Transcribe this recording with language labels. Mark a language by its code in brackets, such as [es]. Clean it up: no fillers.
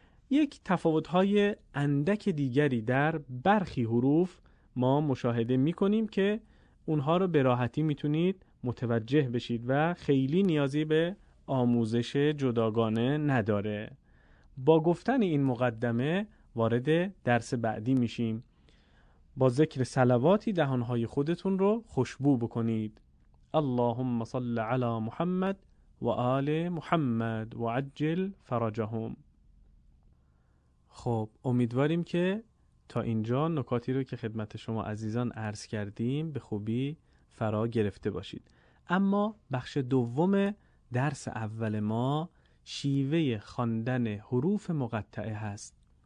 [fa] یک تفاوتهای اندک دیگری در برخی حروف ما مشاهده میکنیم که اونها رو به راحتی میتونید متوجه بشید و خیلی نیازی به آموزش جداگانه نداره. با گفتن این مقدمه وارد درس بعدی میشیم. با ذکر صلواتی دهانهای خودتون رو خوشبو بکنید. [ar] اللهم صل على محمد و آل محمد و عجل فرجهم. [fa] خب، امیدواریم که تا اینجا نکاتی رو که خدمت شما عزیزان عرض کردیم به خوبی فرا گرفته باشید. اما بخش دوم درس اول ما شیوه خواندن حروف مقطعه هست.